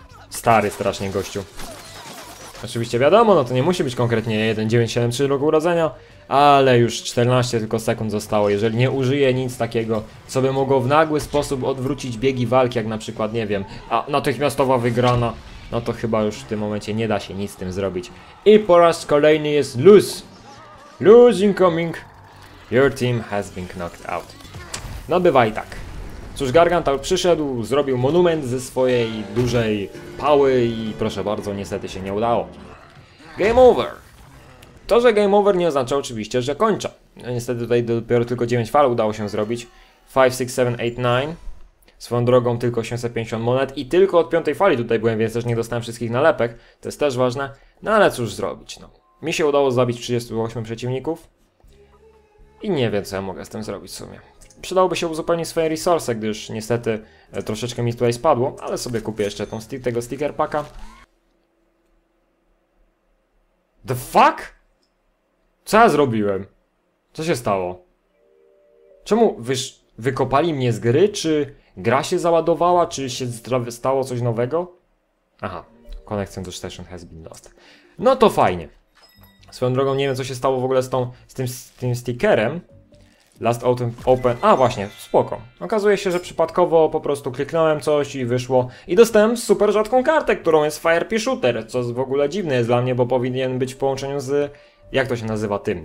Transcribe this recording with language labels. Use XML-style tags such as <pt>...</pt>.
<pl>Stary strasznie gościu. Oczywiście wiadomo, no to nie musi być konkretnie 1973 roku urodzenia, ale już 14 tylko sekund zostało, jeżeli nie użyję nic takiego, co by mogło w nagły sposób odwrócić biegi walki, jak na przykład, nie wiem, a natychmiastowa wygrana. No to chyba już w tym momencie nie da się nic z tym zrobić. I po raz kolejny jest lose.</pl> <en>Lose incoming. Your team has been knocked out.</en> <pl>No bywa i tak. Cóż, Gargantaur przyszedł, zrobił monument ze swojej dużej pały i proszę bardzo, niestety się nie udało.</pl> <en>Game over.</en> <pl>To, że game over nie oznacza oczywiście, że kończę. No niestety tutaj dopiero tylko 9 fal udało się zrobić. 5, 6, 7, 8, 9. Swoją drogą tylko 850 monet i tylko od piątej fali tutaj byłem, więc też nie dostałem wszystkich nalepek. To jest też ważne. No ale cóż zrobić, no. Mi się udało zabić 38 przeciwników. I nie wiem, co ja mogę z tym zrobić w sumie. Przydałoby się uzupełnić swoje resource, gdyż niestety troszeczkę mi tutaj spadło, ale sobie kupię jeszcze tego sticker packa.</pl> <en>The fuck?</en> <pl>Co ja zrobiłem? Co się stało? Czemu wykopali mnie z gry, czy... Gra się załadowała, czy się stało coś nowego?</pl> <en>Aha, connection to station has been lost.</en> <pl>No to fajnie. Swoją drogą nie wiem, co się stało w ogóle z tym stickerem.</pl> <en>Last open,</en> <pl>a właśnie, spoko. Okazuje się, że przypadkowo po prostu kliknąłem coś i wyszło. I dostałem super rzadką kartę, którą jest Fire P Shooter, co w ogóle dziwne jest dla mnie, bo powinien być w połączeniu z... Jak to się nazywa tym?</pl>